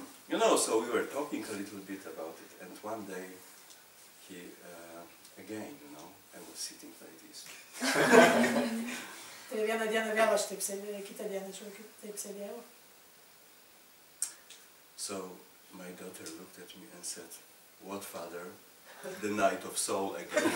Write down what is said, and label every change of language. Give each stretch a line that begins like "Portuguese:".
English: You know, so we were talking a little bit about it, and one day he, again, you know, I was sitting like this.
Lithuanian: Tai vieną dieną vėl aš taip sėdėjau, kitą dieną aš taip sėdėjau.
English: So my daughter looked at me and said, what father? The night of soul again.